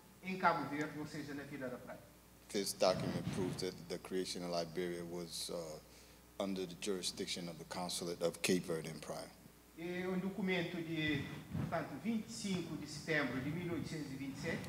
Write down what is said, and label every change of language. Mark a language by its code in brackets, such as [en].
[pt] em Cabo Verde, ou seja, na Vila da Praia. [en] This document proves that the creation of Liberia was under the jurisdiction of the consulate of Cape Verde and Praia. [pt] É um documento de, portanto, 25 de setembro de 1827.